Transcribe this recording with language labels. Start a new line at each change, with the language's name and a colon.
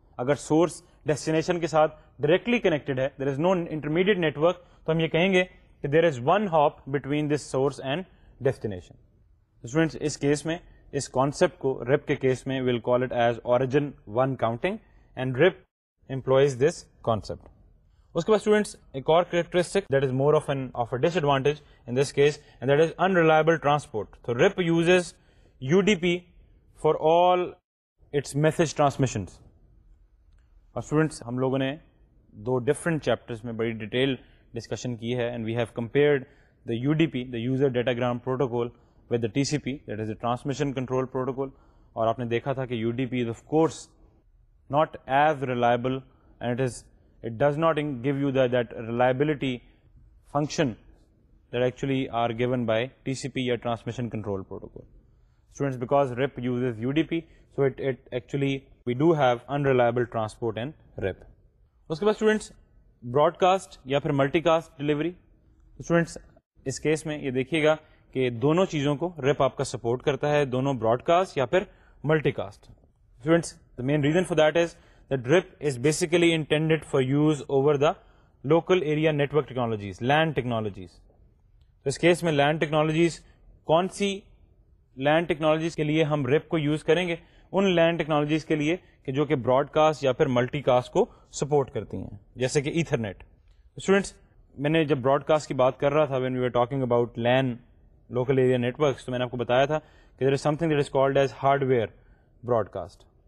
Urdu: Agar source destination ke saath directly connected hai,
English: there is no intermediate network, to hum ye kahenge ki there is one hop between this source and destination. Students اس case میں اس concept کو RIP کے case میں we'll call it as origin one counting and RIP employs this concept. اس کے بعد students ایک اور characteristic that is more of a disadvantage in this case and that is unreliable transport. تو RIP uses U D P for all its message transmissions.
Urdu: اور students ہم لوگوں نے دو different chapters میں بڑی ڈیٹیل ڈسکشن کی ہے
English: And we have compared the U D P the user datagram protocol with the TCP, that is the Transmission Control Protocol.
Urdu: اور آپ نے دیکھا تھا کہ
English: UDP is of course not as reliable and it does not give you that reliability function that actually are given by TCP or Transmission Control Protocol. Students, because RIP uses UDP, so it actually, we do have unreliable transport in RIP.
Urdu: اس کے بعد students broadcast یا پھر multi cost delivery. Students اس case میں یہ دیکھیے گا کہ دونوں چیزوں کو رپ آپ کا سپورٹ کرتا ہے, دونوں براڈ کاسٹ یا پھر multi cost.
English: Students the main reason for that is that RIP is basically intended for use over the local area network technologies, LAN technologies.
Urdu: تو اس کیس میں لینڈ ٹیکنالوجیز, کون سی لینڈ ٹیکنالوجیز کے لیے ہم رپ کو use کریں گے, ان لینڈ ٹیکنالوجیز کے لیے کہ جو کہ براڈ کاسٹ یا پھر ملٹی کاسٹ کو سپورٹ کرتی ہیں, جیسے کہ ایتھرنیٹ. اسٹوڈینٹس میں نے جب براڈ کاسٹ کی بات کر رہا تھا
English: when we are talking about LAN
Urdu: local area networks, تو میں نے آپ کو بتایا تھا کہ
English: there is something that is called as hardware
Urdu: Broad cost.